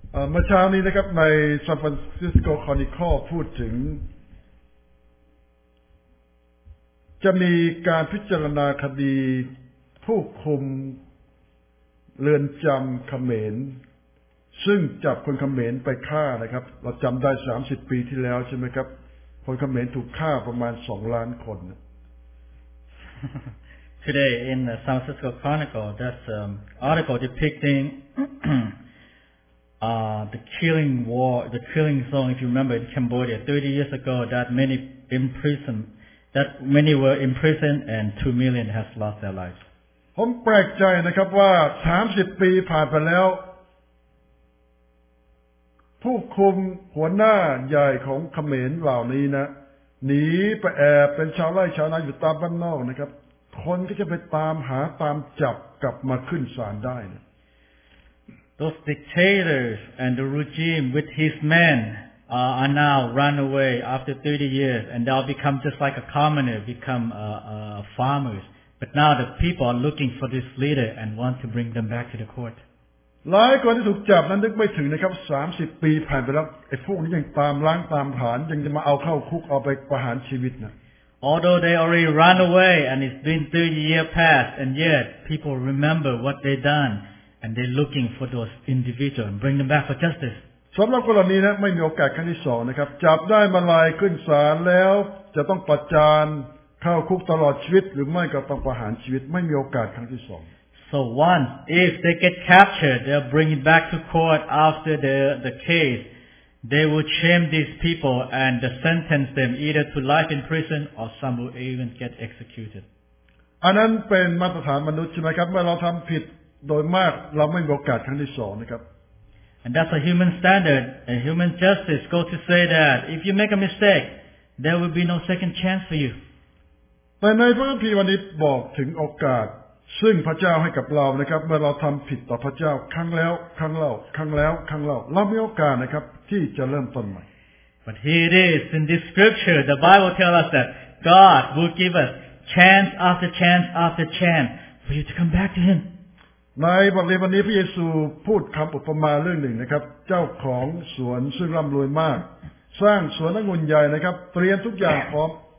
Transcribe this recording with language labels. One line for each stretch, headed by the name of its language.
Thai: เมื่อเช้านี้นะครับในซานฟรานซิสโกคอนิคอลพูดถึงจะมีการพิจารณาคดีผู้คุมเรือนจำเขมรซึ่งจับคนเขมรไปฆ่านะครับเราจำได้30ปีที่แล้วใช่ไหมครับคนเขมรถูกฆ่าประมาณ2ล้านคน
English: Today in the San Francisco Chronicle there's an article depicting the killing war, the killing zone, if you remember, in Cambodia 30 years ago, that many were imprisoned and 2 million has lost their lives.
Thai: ผมแปลกใจนะครับว่า30ปีผ่านไปแล้วผู้คุมหัวหน้าใหญ่ของเขมรเหล่านี้นะหนีไปแอบเป็นชาวไร่ชาวนาอยู่ตามบ้านนอกนะครับคนก็จะไปตามหาตามจับกลับมาขึ้นศาลได้นะ
English: Those dictators and the regime with his men are now run away after 30 years and they'll become just like a commoner, become farmers. But now the people are looking for this leader and want to bring them back to the court.
Thai: หลายคนที่ถูกจับนั้นนึกไม่ถึงนะครับ30ปีผ่านไปแล้วไอ้พวกนี้ยังตามล้างตามผลาญยังจะมาเอาเข้าคุกเอาไปประหารชีวิตนะ
English: Although they already run away and it's been 30 years past and yet people remember what they've done. And they're looking for those individuals and bring them back for justice.
Thai: สำหรับกรณีนี้ไม่มีโอกาสครั้งที่สองนะครับจับได้มาลายขึ้นศาลแล้วจะต้องประจานเข้าคุกตลอดชีวิตหรือไม่ก็ต้องประหารชีวิตไม่มีโอกาสครั้งที่สอง
English: So once if they get captured, they'll bring it back to court after the case. They will shame these people and sentence them either to life in prison or some will even get executed.
Thai: อันนั้นเป็นมาตรฐานมนุษย์ใช่ไหมครับเมื่อเราทำผิดโดยมากเราไม่มีโอกาสครั้งที่สองนะครับ
English: And that's a human standard. A human justice goes to say that if you make a mistake, there will be no second chance for you.
Thai: แต่ในพระคัมภีร์วันนี้บอกถึงโอกาสซึ่งพระเจ้าให้กับเรานะครับเมื่อเราทำผิดต่อพระเจ้าครั้งแล้วครั้งเล่าครั้งแล้วครั้งเล่าเรามีโอกาสนะครับที่จะเริ่มต้นใหม่
English: But here it is in this scripture. The Bible tells us that God will give us chance after chance after chance for you to come back to Him.
Thai: ในบทเรียนวันนี้พระเยซูพูดคำอุปมาเรื่องหนึ่งนะครับเจ้าของสวนซึ่งร่ำรวยมากสร้างสวนองุ่นใหญ่นะครับเตรียมทุกอย่างพร้อม